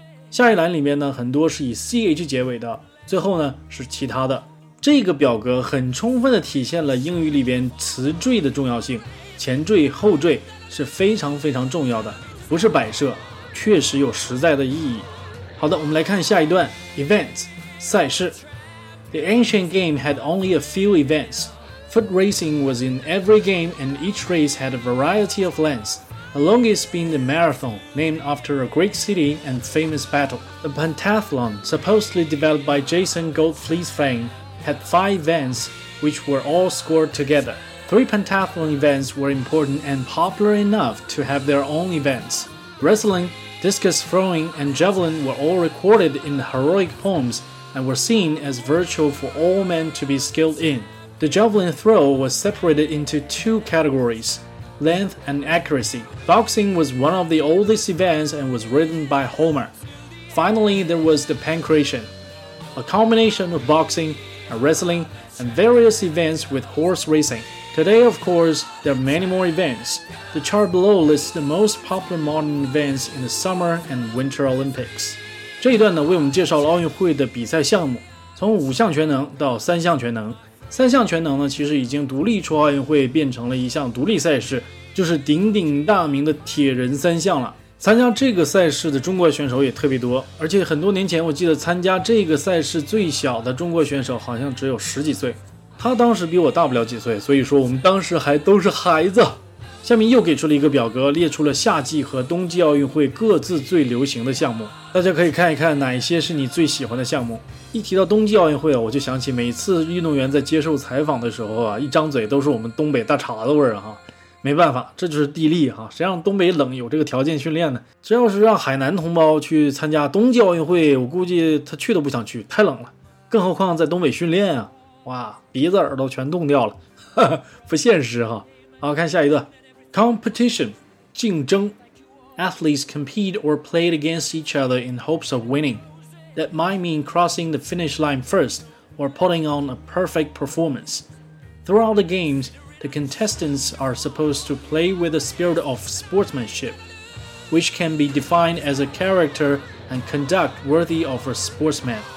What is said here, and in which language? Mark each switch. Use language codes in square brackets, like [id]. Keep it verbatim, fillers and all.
[zh] 下一栏里面呢，很多是以 ch 结尾的。最后呢是其他的。这个表格很充分的体现了英语里边词缀的重要性，前缀后缀是非常非常重要的，不是摆设，确实有实在的意义。好的，我们来看下一段 events 赛事。 [en] The ancient game had only a few events. Foot racing was in every game and each race had a variety of lengths, the longest being the marathon, named after a Greek city and famous battle. The pentathlon, supposedly developed by Jason Goldfleece fame, had five events which were all scored together. Three pentathlon events were important and popular enough to have their own events. Wrestling, discus throwing, and javelin were all recorded in the heroic poems and were seen as virtual for all men to be skilled in. The javelin throw was separated into two categories, length and accuracy. Boxing was one of the oldest events and was written by Homer. Finally, there was the pancration, a combination of boxing and wrestling and various events with horse racing. Today, of course, there are many more events. The chart below lists the most popular modern events in the Summer and Winter Olympics. [zh] 这一段呢，为我们介绍了奥运会的比赛项目，从五项全能到三项全能。三项全能呢，其实已经独立出奥运会，变成了一项独立赛事，就是鼎鼎大名的铁人三项了。参加这个赛事的中国选手也特别多，而且很多年前我记得参加这个赛事最小的中国选手好像只有十几岁，他当时比我大不了几岁，所以说我们当时还都是孩子。下面又给出了一个表格，列出了夏季和冬季奥运会各自最流行的项目，大家可以看一看哪些是你最喜欢的项目。一提到冬季奥运会啊，我就想起每次运动员在接受采访的时候啊，一张嘴都是我们东北大碴子味儿哈。没办法，这就是地利哈、啊。谁让东北冷有这个条件训练呢？这要是让海南同胞去参加冬季奥运会，我估计他去都不想去，太冷了。更何况在东北训练啊，哇，鼻子耳朵全冻掉了，呵呵，不现实哈。好，看下一个 [en] ，competition， [zh] 竞争 [en] ，athletes compete or play against each other in hopes of winning. That might mean crossing the finish line first or putting on a perfect performance. Throughout the games. The contestants are supposed to play with the spirit of sportsmanship, which can be defined as a character and conduct worthy of a sportsman.